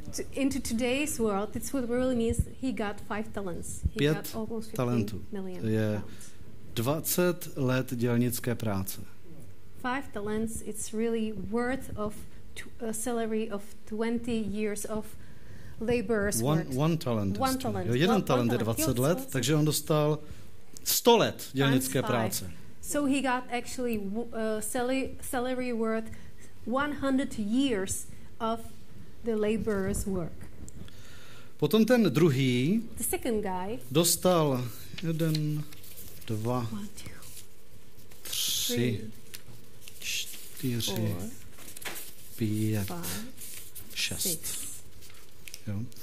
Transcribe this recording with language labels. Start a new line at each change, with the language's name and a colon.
English: Into today's world, this would really mean he got 5 talents.
Czech: Je 20 let dělnické práce.
English: 5 talents, it's really worth of a salary of 20 years of laborers work. One talent. One talent.
Czech: Jo, jeden talent je 20 let, takže on dostal 100 let dělnické práce.
English: So he got actually a salary worth 100 years of the laborers work.
Czech: Potom ten druhý,
English: the second guy,
Czech: dostal 1, 2, 3, 4, 5, 6. Jo.